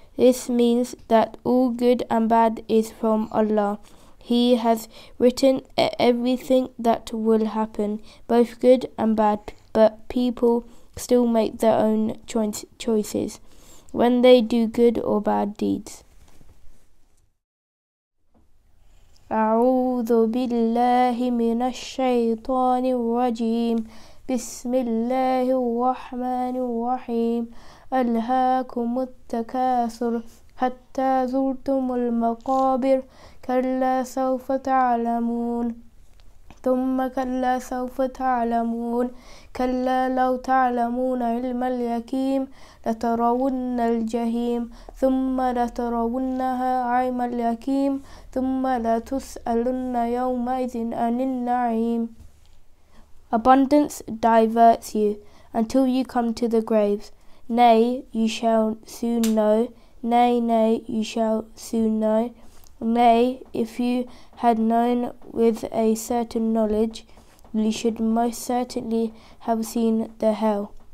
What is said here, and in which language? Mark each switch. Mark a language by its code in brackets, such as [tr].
[en] This means that all good and bad is from Allah. He has written everything that will happen, both good and bad, but people still make their own choices when they do good or bad deeds. [ar] أعوذ بالله من الشيطان الرجيم بسم الله الرحمن الرحيم ألهاكم التكاثر حتى زرتم المقابر كلا سوف تعلمون ثم كلا سوف تعلمون كلا لو تعلمون علم اليقين لترون الجحيم ثم لترونها عين اليقين ثم لتسألن يومئذ عن النعيم. [en] Abundance diverts you until you come to the graves. Nay, you shall soon know. Nay, you shall soon know. Nay, if you had known with a certain knowledge, you should most certainly have seen the hell.